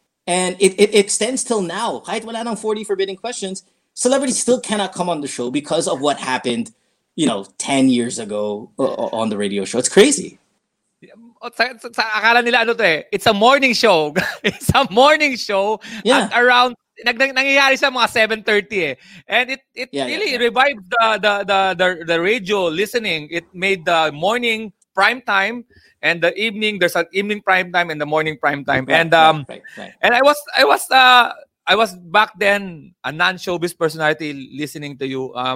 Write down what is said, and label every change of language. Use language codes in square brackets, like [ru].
[en] And it extends till now. [tl] Kahit wala nang [en] 40 forbidden questions, celebrities still cannot come on the show because of what happened, you know, 10 years ago on the radio show. It's crazy. [tl] Sa akala nila ano to eh, [en] it's a morning show. It's a morning show, yeah. [tl] At around nangyayari sa mga 7:30 eh. [en] And it really revived the radio listening. It made the morning prime time and the evening, there's an evening prime time and the morning prime time. Right, right. And I was back then a non-showbiz personality listening to you.